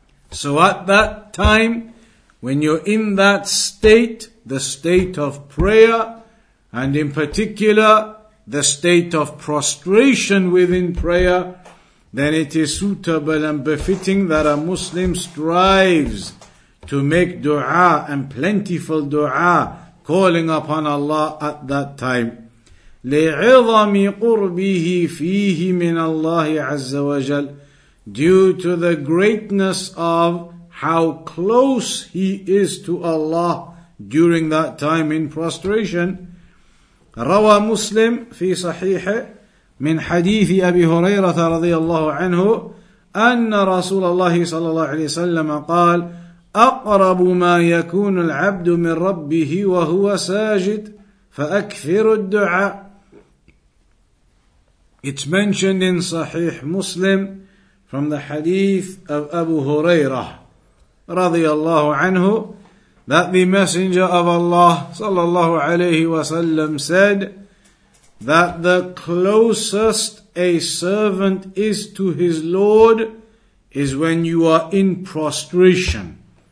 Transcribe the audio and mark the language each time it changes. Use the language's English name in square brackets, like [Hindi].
[English] So at that time, when you're in that state, the state of prayer, and in particular, the state of prostration within prayer, then it is suitable and befitting that a Muslim strives to make dua and plentiful dua, calling upon Allah at that time. [Arabic] لِعِظَمِ قُرْبِهِ فِيهِ مِنَ اللَّهِ عَزَّ وَجَلْ. [English] Due to the greatness of how close he is to Allah during that time in prostration. [Arabic] روى مسلم في صحيحه من حديث أبي هريرة رضي الله عنه أن رسول الله صلى الله عليه وسلم قال أقرب ما يكون العبد من ربه وهو ساجد فأكثر الدعاء. [English] It's mentioned in Sahih Muslim from the hadith of Abu Hurairah [Arabic] رضي الله عنه [English] that the Messenger of Allah [Arabic] صلى الله عليه وسلم [English] said that the closest a servant is to his Lord is when you are in prostration.